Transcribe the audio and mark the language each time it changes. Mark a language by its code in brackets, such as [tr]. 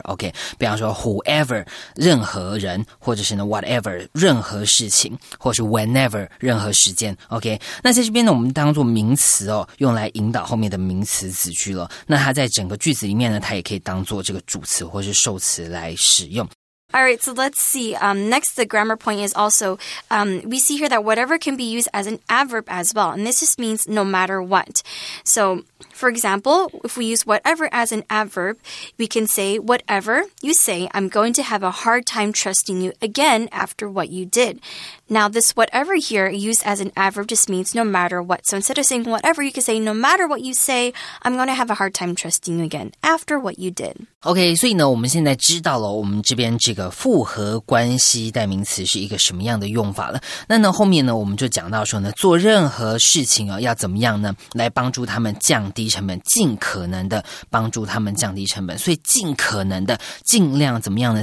[zh] OK, 比方说 whoever, 任何人或者是呢 whatever, 任何事情或是 whenever, 任何时间。 OK, 那在这边呢我们当作名词哦用来引导后面的名词子句了。那它在整个句子里面呢它也可以当作这个主词或是受词来使用。 [en] Alright, so let's see. Next, the grammar point is also, we see here that whatever can be used as an adverb as well. And this just means no matter what. So, for example, if we use whatever as an adverb, we can say, whatever you say, I'm going to have a hard time trusting you again after what you did. Now, this whatever here used as an adverb just means no matter what. So instead of saying whatever, you can say, no matter what you say, I'm going to have a hard time trusting you again after what you did. [zh] Okay, 所以呢，我们现在知道了我们这边这个复合关系代名词是一个什么样的用法了。那呢，后面呢，我们就讲到说呢，做任何事情啊，要怎么样呢，来帮助他们降低成本，尽可能的帮助他们降低成本。所以尽可能的，尽量怎么样呢？